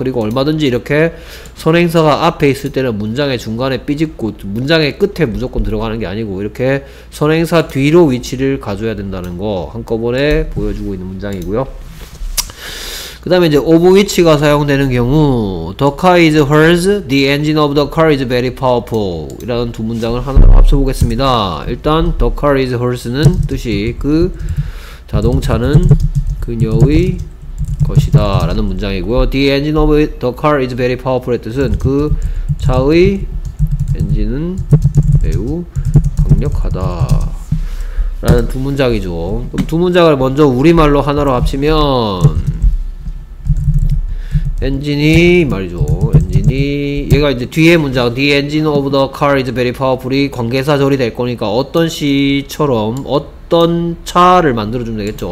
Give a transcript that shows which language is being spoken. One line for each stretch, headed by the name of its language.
Korean: 그리고 얼마든지 이렇게 선행사가 앞에 있을 때는 문장의 중간에 삐집고 문장의 끝에 무조건 들어가는 게 아니고 이렇게 선행사 뒤로 위치를 가져야 된다는 거 한꺼번에 보여주고 있는 문장이고요. 그 다음에 이제
English: of which가 사용되는 경우 the car is hers, the engine of the car is very powerful
Korean: 이라는 두 문장을 하나로 합쳐보겠습니다. 일단
English: the car is hers
Korean: 는 뜻이 그 자동차는 그녀의 것이다 라는 문장이고요.
English: the engine of the car is very powerful의
Korean: 뜻은 그 차의 엔진은 매우 강력하다 라는 두 문장이죠. 그럼 두 문장을 먼저 우리말로 하나로 합치면 엔진이 말이죠. 엔진이 얘가 이제 뒤에 문장
English: The engine of the car is very powerful
Korean: 이 관계사절이 될 거니까 어떤 시처럼 어떤 차를 만들어주면 되겠죠.